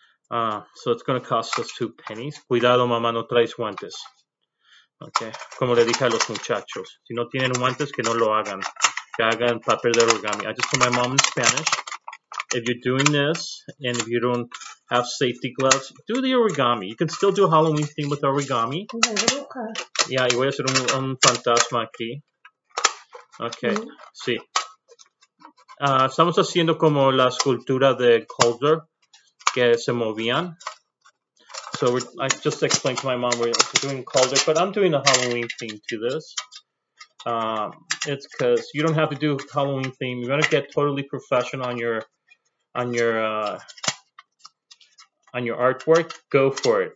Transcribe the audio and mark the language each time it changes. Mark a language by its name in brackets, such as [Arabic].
[English] So it's going to cost us 2 pennies. [Spanish] Cuidado, mamá, no traes guantes. [English] Okay. [Spanish] Como le dije a los muchachos. Si no tienen guantes, que no lo hagan. Que hagan papel de origami. [English] I just told my mom in Spanish, if you're doing this and if you don't have safety gloves, do the origami. You can still do a Halloween theme with origami. Okay. [Spanish] Yeah, y voy a hacer un fantasma aquí. Okay, sí. Estamos haciendo como la escultura de Calder, que se movían. [English] So I just explained to my mom we're doing Calder, but I'm doing a Halloween theme to this. It's because you don't have to do a Halloween theme. You're going to get totally professional on your artwork. Go for it.